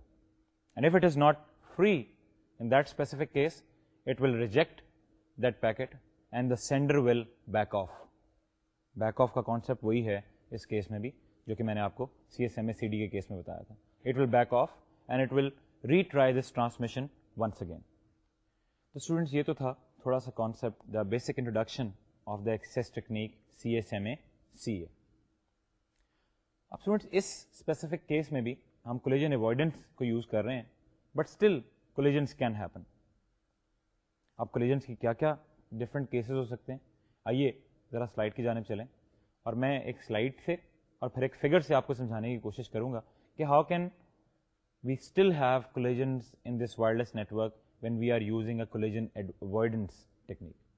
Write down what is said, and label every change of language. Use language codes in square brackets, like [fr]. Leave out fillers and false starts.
[en] And if it is not free in that specific case it will reject that packet and the sender will back off. [ur] Back of کا concept وہی ہے اس case میں بھی جو کہ میں نے آپ کو سی ایس ایم اے سی ڈی کے کیس میں بتایا تھا. [en] It will back off and it will retry this transmission once again. [ur] تو اسٹوڈنٹس, یہ تو تھا تھوڑا سا concept, [en] The basic introduction of the access technique C S M A C A. [ur] اب اسٹوڈنٹس, اس اسپیسیفک کیس میں بھی ہم کولیجن اوائڈنس کو یوز کر رہے ہیں, [en] But still collisions can happen. [ur] اب کولیجنس کی کیا کیا ڈفرنٹ کیسز ہو سکتے ہیں, آئیے ذرا سلائڈ کی جانب چلیں, اور میں ایک سلائڈ سے اور پھر ایک فگر سے آپ کو سمجھانے کی کوشش کروں گا کہ [en] How can we still have collisions in this wireless network when we are using a collision avoidance technique.